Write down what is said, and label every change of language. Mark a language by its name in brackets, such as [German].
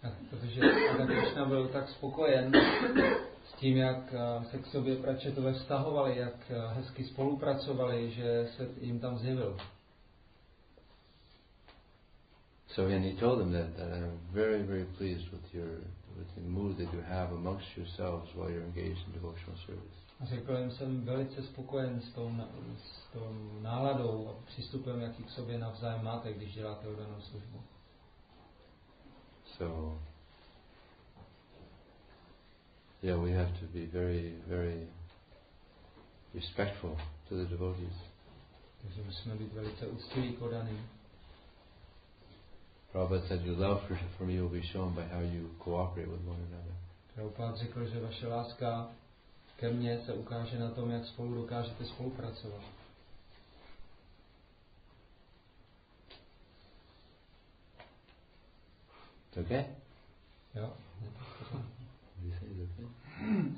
[Czech] Protože Krishna byl tak spokojen s tím, jak se k sobě prachetové vztahovali, jak hezky spolupracovali, že se jim tam zjevil. [English] So and he told them that I'm very, very pleased with the mood that you have amongst yourselves while you're engaged in devotional service. [Czech] A řekl jim, jsem velice spokojen s tou náladou a přístupem, jaký k sobě navzájem máte, když děláte odanou službu. [English] So, yeah, we have to be very, very respectful to the devotees. [Czech] Takže musíme být velice úctiví k odaným. [English] Prabhupada said, your love for me will be shown by how you cooperate with one another. [Czech] Prabhupada řekl, že vaše láska ke mně se ukáže na tom, jak spolu dokážete spolupracovat. [English] Okay? [Czech] Jo. [English] Okay.